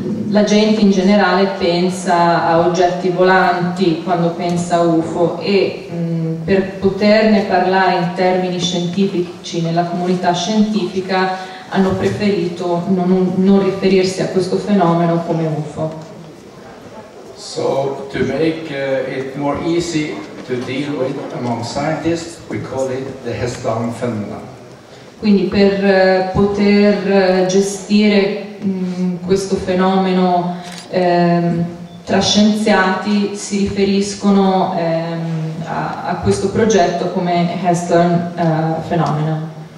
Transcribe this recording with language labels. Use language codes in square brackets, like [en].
[it] la gente in generale pensa a oggetti volanti quando pensa a UFO e per poterne parlare in termini scientifici nella comunità scientifica hanno preferito non riferirsi a questo fenomeno come UFO. [en] So to make it more easy to deal with among scientists, we call it the Hestdal phenomena. [it] Quindi per poter gestire questo fenomeno tra scienziati si riferiscono a questo progetto come Hestdal phenomena.